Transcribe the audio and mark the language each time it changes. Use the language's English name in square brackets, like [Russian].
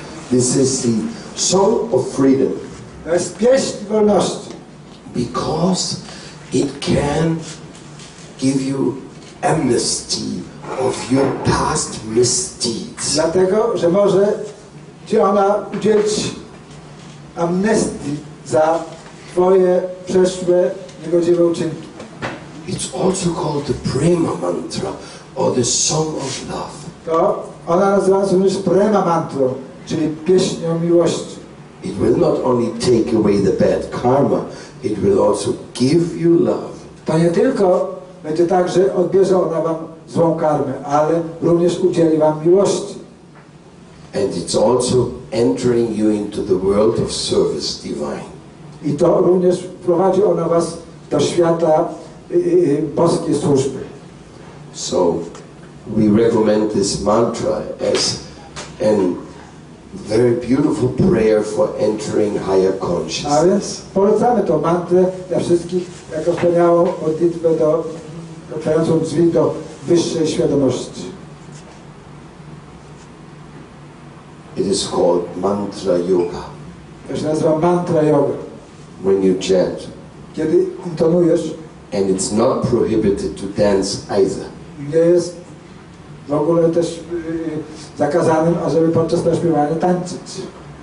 [English] This is the song of freedom. [Polish] To jest pieśń wolności. [English] Because it can give you amnesty of your past misdeeds. [Polish] Dlatego, że może ci ona udzielić amnesty za twoje przeszłe niegodziwe uczynki. [English] It's also called the Prema Mantra or the Song of Love. [Polish] To ona nazywa się również Prema Mantra, czyli pieśnią miłości. [English] It will not only take away the bad karma, it will also give you love. [Polish] To nie tylko będzie tak, że odbierze ona wam złą karmę, ale również udzieli wam miłości. [English] And it's also entering you into the world of service divine. [Polish] I to również prowadzi ona was do świata boskiej służby. [English] So we recommend this mantra as a very beautiful prayer for entering higher consciousness. [Polish] A więc polecamy tę mantrę dla wszystkich jako wspaniałą modlitwę do otwierającą drzwi do wyższej świadomości. [English] It is called mantra yoga. [Polish] To się nazywa mantra yoga. [English] When you chant. [Polish] Kiedy intonujesz. [English] And it's not prohibited to dance either. [Polish] Nie jest w ogóle też zakazanym, ażeby podczas naśpiewania tańczyć.